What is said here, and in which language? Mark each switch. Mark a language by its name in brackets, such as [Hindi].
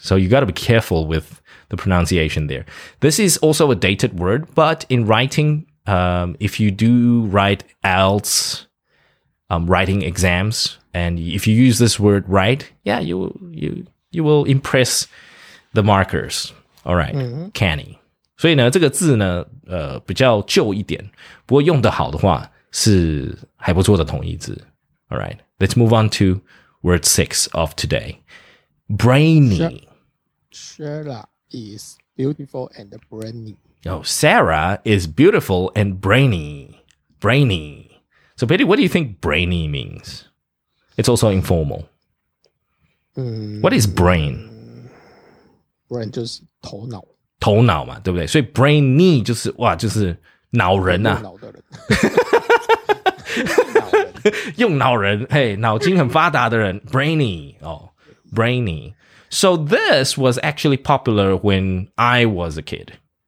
[English] So you got to be careful with the pronunciation there. This is also a dated word, but in writing, if you do write else,writing exams, and if you use this word right, yeah, you will impress the markers. All right, canny. [Chinese] 所以呢，这个字呢，比较旧一点，不过用得好的话是还不错的同义字。 [English] All right, let's move on to word 6 of today. Brainy. Sarah is beautiful and brainy. Oh, Sarah is beautiful and brainy. Brainy. So, Petty, what do you think brainy means? It's also informal. What is brain? [Chinese] Brain 就是头脑。头脑嘛，对不对？所以 brainy 就是，哇，就是脑人啊。用脑的人。用脑人，嘿，脑筋很发达的人。 [English] Brainy, [Chinese] 哦 [English] ,brainy. So, this was actually popular when I was a kid.